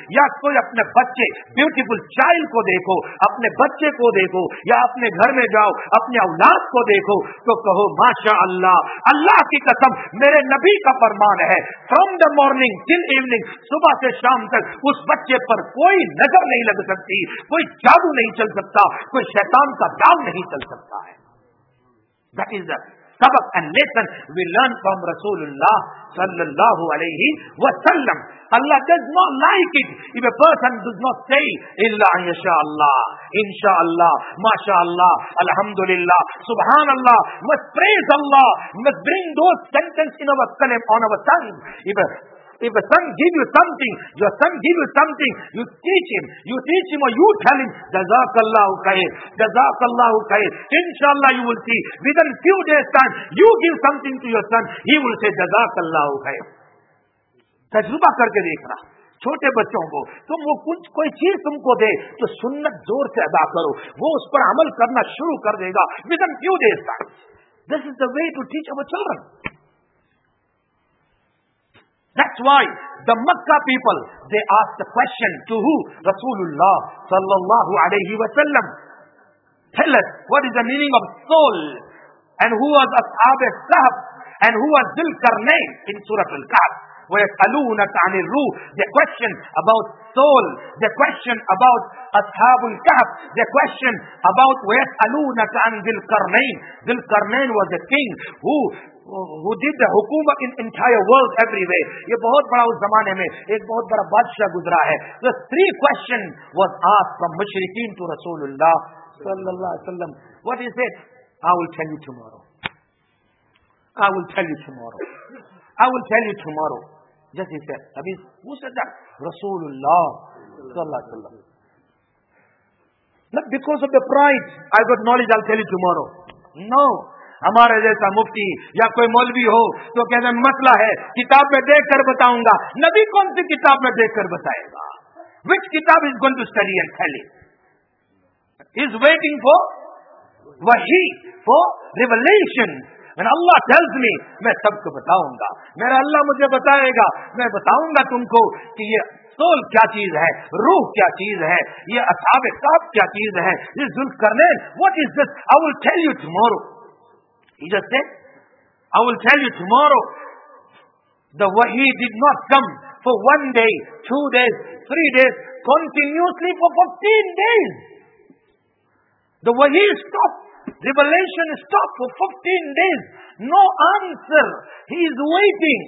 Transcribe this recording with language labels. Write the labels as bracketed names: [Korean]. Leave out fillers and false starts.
[Urdu] یا کوئی اپنے بچے [English] beautiful child [Urdu] کو دیکھو، اپنے بچے کو دیکھو، یا اپنے گھر میں جاؤ اپنے اولاد کو دیکھو، تو کہو ماشاء اللہ، اللہ کی قسم میرے نبی کا فرمان ہے، [English] from the morning till evening, [Urdu] صبح سے شام تک اس بچے پر کوئی نظر نہیں لگ سکتی، کوئی جادو نہیں چل سکتا، کوئی شیطان کا دام نہیں چل سکتا ہے۔ [English] That is the سبق and lesson we learn from رسول اللہ صلی اللہ علیہ وسلم. Allah does not like it if a person does not say illa inshallah, inshallah, mashallah, alhamdulillah, subhanallah, must praise Allah, must bring those sentences in our kalim on our tongue. If a son gives you something, your son gives you something, you teach him or you tell him, Jazakallahu khair, Jazakallahu khair. Inshallah you will see, within few days time, you give something to your son, he will say Jazakallahu khair. [Urdu] تجربہ کر کے دیکھنا چھوٹے بچوں کو, تم وہ کچھ کوئی چیز تم کو دے تو سنت زور سے ادا کرو, وہ اس پر عمل کرنا شروع کر دے گا [English] within few days time. This is the way to teach our children. That's why the Makkah people, they asked the question to who? Rasulullah sallallahu alayhi wa sallam. Tell us, what is the meaning of soul? And who was Ashabi Sahab? And who was Dil Karnay in Surah Al-Kahf? [Arabic] وَيَسْأَلُونَكَ عَنِ الرُّوحِ, [English] the question about soul, the question about Ashabul Kahf, the question about [Arabic] وَيَسْأَلُونَكَ عَنِ ذِي الْقَرْنَيْنِ. [English] ذِي الْقَرْنَيْنِ was the king who did the hukuma in entire world everywhere. [Urdu] یہ بہت بڑا اس زمانے میں ایک بہت بڑا بادشاہ گزرا ہے. [English] The three question was asked from مشرکین to رسول اللہ صلی اللہ علیہ وسلم. What is it? I will tell you tomorrow. Just he said. That means, who said that? Rasulullah sallallahu alaihi wasallam. Not because of the pride, I got knowledge, I'll tell you tomorrow. No. [Urdu] ہمارے جیسا مفتی یا کوئی مولوی ہو تو کہتے ہیں مسئلہ ہے, کتاب میں دیکھ کر بتاؤں گا. نبی کون سی کتاب میں دیکھ کر بتائے گا؟ [English] Which کتاب is going to study and tell it? He's waiting for wahi, for revelation. When Allah tells me, [Urdu] میں سب کو بتاؤں گا, میرا اللہ مجھے بتائے گا, میں بتاؤں گا تم کو کہ یہ سول کیا چیز ہے, روح کیا چیز ہے, یہ اصحاب کعب کیا چیز ہے, یہ Zulqarnain, [English] what is this? I will tell you tomorrow. He just said, I will tell you tomorrow. The wahi did not come for one day, two days, three days, continuously for 15 days. The wahi stopped. Revelation stopped for 15 days. No answer. He is waiting.